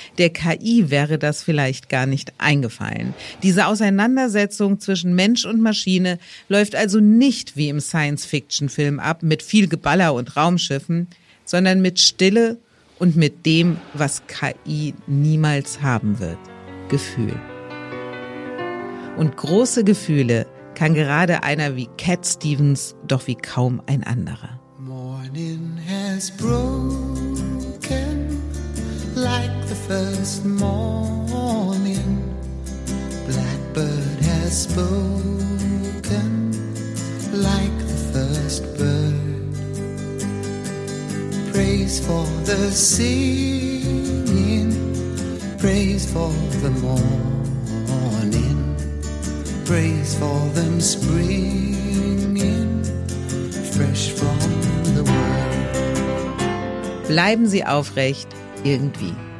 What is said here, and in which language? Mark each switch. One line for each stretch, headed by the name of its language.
German: Der KI wäre das vielleicht gar nicht eingefallen. Diese Auseinandersetzung zwischen Mensch und Maschine läuft also nicht wie im Science-Fiction-Film ab mit viel Geballer und Raumschiffen, sondern mit Stille und mit dem, was KI niemals haben wird: Gefühl. Und große Gefühle kann gerade einer wie Cat Stevens doch wie kaum ein anderer.
English: Morning has broken like the first morning. Blackbird has spoken like the first bird. Praise for the singing, praise for the morning, praise for them springing fresh from.
German: Bleiben Sie aufrecht, irgendwie.